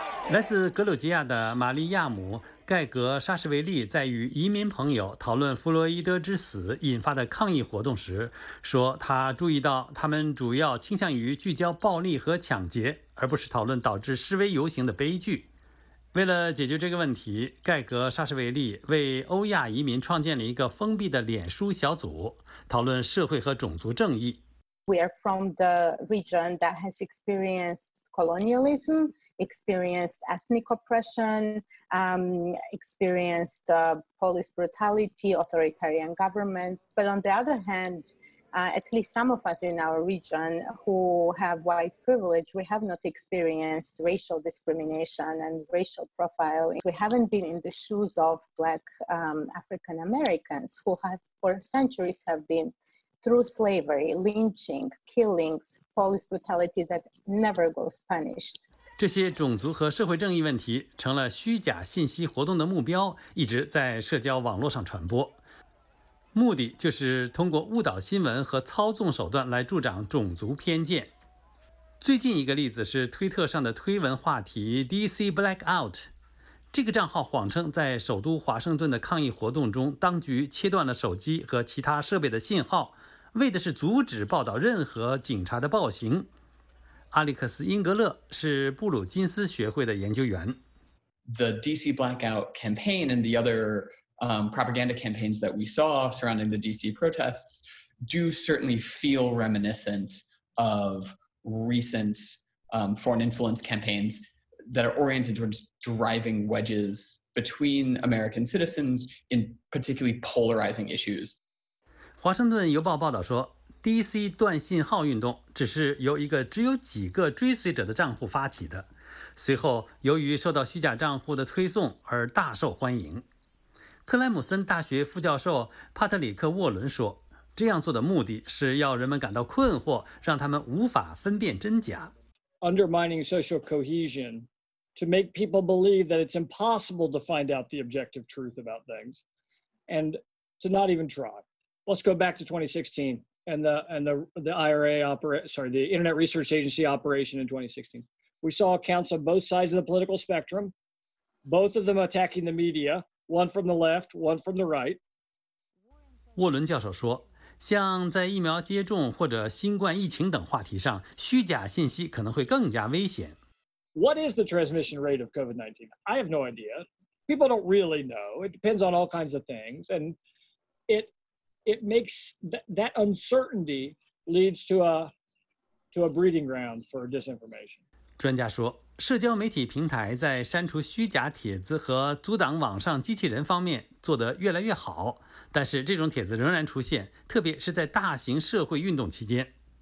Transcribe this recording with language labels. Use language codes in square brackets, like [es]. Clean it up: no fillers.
[zh] 来自格鲁吉亚的玛利亚姆·盖格·沙什维利在与移民朋友讨论弗洛伊德之死引发的抗议活动时说，他注意到他们主要倾向于聚焦暴力和抢劫，而不是讨论导致示威游行的悲剧。为了解决这个问题，盖格·沙什维利为欧亚移民创建了一个封闭的脸书小组，讨论社会和种族正义。 [en] We are from the region that has experienced colonialism, experienced ethnic oppression, experienced police brutality, authoritarian government. But on the other hand, at least some of us in our region who have white privilege, we have not experienced racial discrimination and racial profiling. We haven't been in the shoes of black African Americans who have for centuries have been through slavery, lynching, killings, police brutality that never goes punished. [zh] 这些种族和社会正义问题成了虚假信息活动的目标，一直在社交网络上传播。目的就是通过误导新闻和操纵手段来助长种族偏见。最近一个例子是推特上的推文话题 DC Blackout， 这个账号谎称在首都华盛顿的抗议活动中，当局切断了手机和其他设备的信号，为的是阻止报道任何警察的暴行。阿里克斯·英格勒是布鲁金斯学会的研究员。 [en] The DC Blackout campaign and the otherpropaganda campaigns that we saw surrounding the DC protests do certainly feel reminiscent of recent foreign influence campaigns that are oriented towards driving wedges between American citizens in particularly polarizing issues. [zh] 华盛顿邮报报道说， DC 断信号运动只是由一个只有几个追随者的账户发起的，随后由于受到虚假账户的推送而大受欢迎。克莱姆森大学副教授帕特里克·沃伦说，这样做的目的是要人们感到困惑，让他们无法分辨真假。 [en] Undermining social cohesion to make people believe that it's impossible to find out the objective truth about things and to not even try. Let's go back to 2016 and the Internet Research Agency operation in 2016. We saw accounts on both sides of the political spectrum, both of them attacking the media, one from the left, one from the right. [zh] 沃伦教授说，像在疫苗接种或者新冠疫情等话题上，虚假信息可能会更加危险。 [en] What is the transmission rate of COVID-19? I have no idea. People don't really know. It depends on all kinds of things. And it makes that uncertainty leads to a breeding ground for disinformation. [zh] 专家说，社交媒体平台在删除虚假帖子和阻挡网上机器人方面做得越来越好。但是这种帖子仍然出现，特别是在大型社会运动期间。